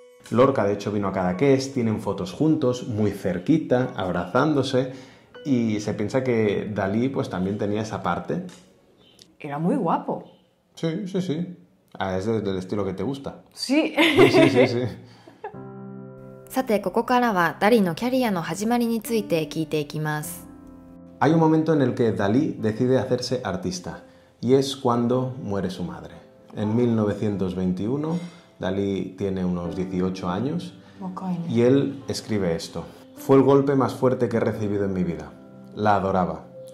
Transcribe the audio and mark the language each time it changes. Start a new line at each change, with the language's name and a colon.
Spanish: Lorca, de hecho, vino a Cadaqués, tienen fotos juntos, muy cerquita, abrazándose, y se piensa que Dalí pues también tenía esa parte. Era muy guapo. Sí, sí, sí. Ah, es del estilo que te gusta. Sí. Sí, sí, sí, sí.
Japanese: さてここからはダリのキャリアの始まりについて聞いていきます。
Spanish: Hay un momento en el que Dalí decide hacerse artista y es cuando muere su madre. En 1921, Dalí tiene unos 18 años y él escribe esto. Fue el golpe más fuerte que he recibido en mi vida. La adoraba.